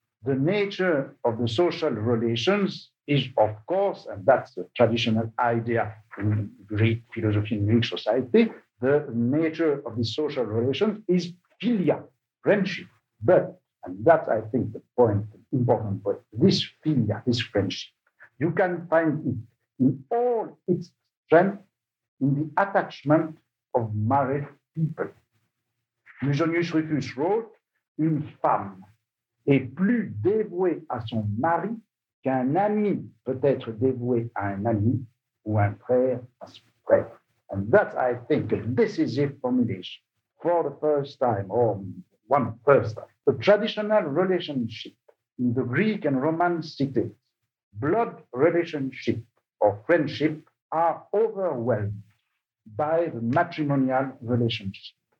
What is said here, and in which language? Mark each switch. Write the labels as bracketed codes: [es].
[en] The nature of the social relations is, of course, and that's the traditional idea in Greek philosophy and Greek society, the nature of the social relations is philia, friendship. But, and that's, I think, the point, the important point, this philia, this friendship, you can find it in all its strength in the attachment of married people. Musonius Rufus wrote, [fr] une femme est plus dévouée à son mari qu'un ami peut être dévoué à un ami ou un frère à son frère. [en] And that's, I think, a decisive formulation for the first time, or one first time. The traditional relationship in the Greek and Roman cities, blood relationship or friendship, are overwhelmed by the matrimonial relationship.